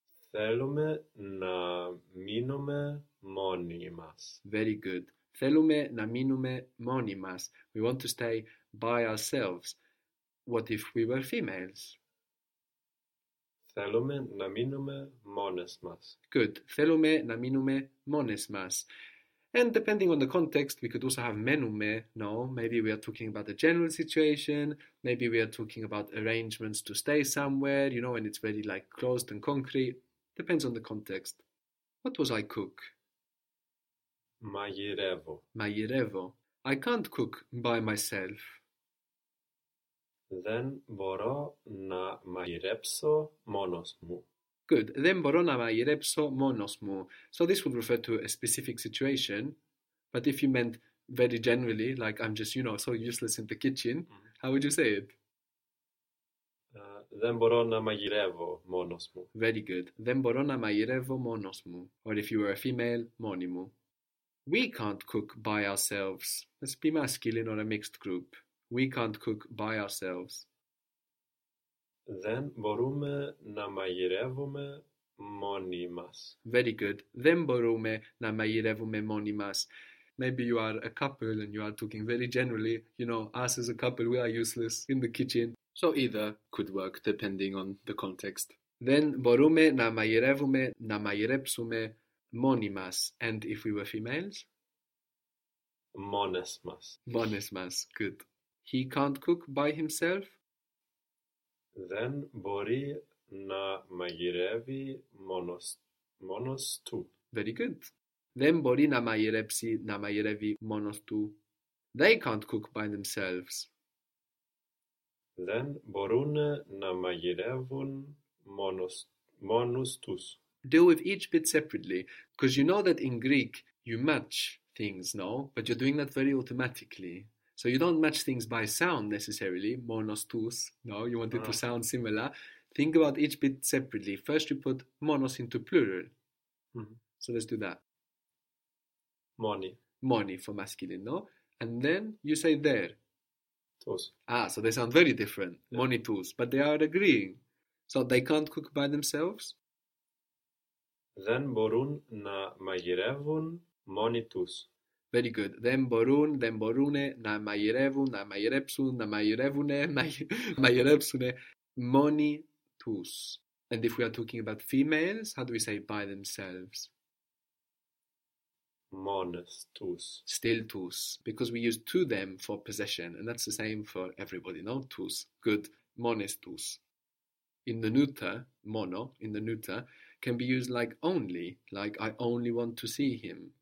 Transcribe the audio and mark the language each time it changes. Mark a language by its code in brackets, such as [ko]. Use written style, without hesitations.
[el] Θέλουμε να μείνουμε μόνοι μας. [en] Very good. [el] Θέλουμε να μείνουμε μόνοι μας. [en] We want to stay by ourselves. What if we were females? [el] Θέλουμε να μείνουμε μόνες μας. [en] Good. [el] Θέλουμε να μείνουμε μόνες μας. [en] And depending on the context, we could also have [el] μένουμε. [en] No, maybe we are talking about a general situation. Maybe we are talking about arrangements to stay somewhere, you know, and it's very like closed and concrete. Depends on the context. What was I cook? [el] Μαγειρεύω. Μαγειρεύω. [en] I can't cook by myself. [el] Δεν μπορώ να μαγειρέψω μόνος μου. [en] Good. [el] Δεν μπορώ να μαγειρέψω μόνος μου. [en] So this would refer to a specific situation. But if you meant very generally, like I'm just, you know, so useless in the kitchen, how would you say it? [el] Δεν μπορώ να μαγειρεύω μόνος μου. [en] Very good. [el] Δεν μπορώ να μαγειρεύω μόνος μου. [en] Or if you were a female, [el] μόνη μου. [en] We can't cook by ourselves. Let's be masculine or a mixed group. We can't cook by ourselves. [el] Δεν μπορούμε να μαγειρεύουμε μόνοι μας. [en] Very good. [el] Δεν μπορούμε να μαγειρεύουμε μόνοι μας. [en] Maybe you are a couple and you are talking very generally. You know, us as a couple, we are useless in the kitchen. So either could work depending on the context. [el] Δεν μπορούμε να μαγειρεύουμε, να μαγειρέψουμε μόνοι μας. [en] And if we were females? [el] Μόνες μας. Μόνες μας. [en] Good. He can't cook by himself. [el] Δεν μπορεί να μαγειρεύει μόνος του. [en] Very good. [el] Δεν μπορεί να μαγειρέψει, να μαγειρεύει μόνος του. [en] They can't cook by themselves. [el] Δεν μπορούν να μαγειρεύουν μόνος τους. [en] Deal with each bit separately, because you know that in Greek you match things, no? But you're doing that very automatically. So you don't match things by sound necessarily, [el] monos tous, [en] no? You want it to sound similar. Think about each bit separately. First, you put monos into plural. So let's do that. [el] Money. [en] Money for masculine, no? And then you say there. [el] Tos. [en] Ah, so they sound very different, Yeah. [el] money tous, [en] but they are agreeing. So they can't cook by themselves. [el] Δεν μπορούν να μαγειρεύουν μόνοι τους. [en] Very good. [el] Δεν μπορούνε να μαγειρεύουν, να μαγειρέψουν, να μαγειρεύουνε, μόνοι τους. [en] And if we are talking about females, how do we say by themselves? [el] Μόνες τους. [en] Still τους, because we use to them for possession, and that's the same for everybody, no? [el] Τους. [en] Good. [el] Μόνες τους. [en] In the neuter, mono, in the neuter, can be used like only, like I only want to see him.